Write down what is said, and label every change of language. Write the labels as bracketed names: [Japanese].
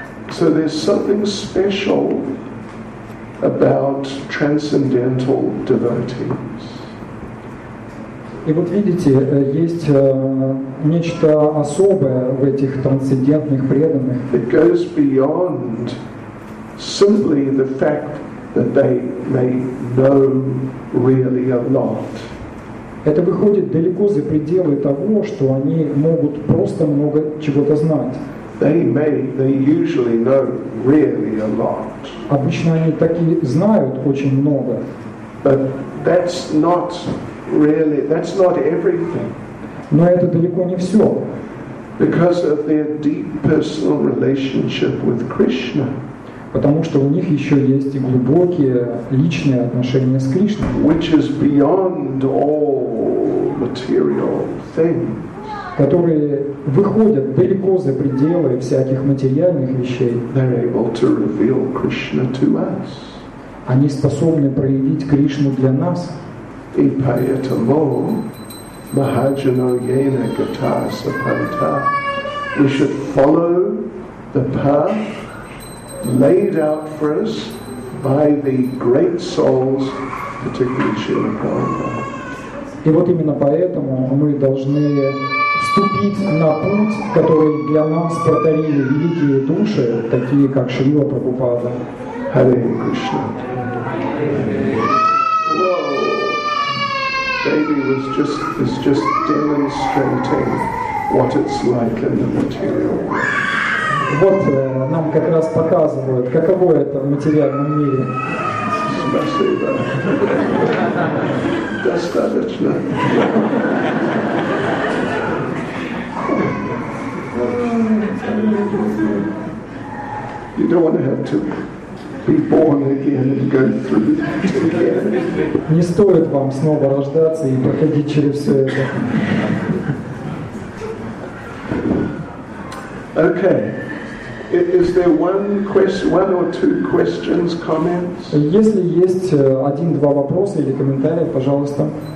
[English] So there's something special about transcendental devotees. [Russian] И вот видите, есть нечто особое в этих трансцендентных преданных. [English] It goes beyond simply the fact that they know really a lot. [Russian] Это выходит далеко за пределы того, что они могут просто много чего-то знать. [English] They usually know really a lot. [Russian] Обычно они такие знают очень много. [English] But that's not really, that's not everything. [Russian] Но это далеко не все. [English] Because of their deep personal relationship with Krishna. [Russian] Потому что у них еще есть и глубокие личные отношения с Кришной. [English] Which is beyond all material things. [Russian] Которые выходят далеко за пределы всяких материальных вещей. [English] They're able to reveal Krishna to us. [Russian] Они способны проявить Кришну для нас. И поэтому [Sanskrit] Mahajano Yena Gata Sapanta, [English] we should follow the path laid out for us by the great souls, particularly Srila Prabhupada. [Russian] И вот именно поэтому мы должны вступить на путь, который для нас протарили великие души, такие как Шрила Прабхупада. [Sanskrit] Hare Krishna. [English] Baby was just demonstrating what it's like in the material world. [Russian] Вот нам как раз показывают, каково это в материальном мире. Спасибо. Достаточно. [English] You don't want to have to be born again and go through it again. [Russian] Не стоит вам снова рождаться и проходить через все это. [English] Okay. Is there one or two questions, comments? [Russian] Если есть один-два вопроса или комментария, пожалуйста.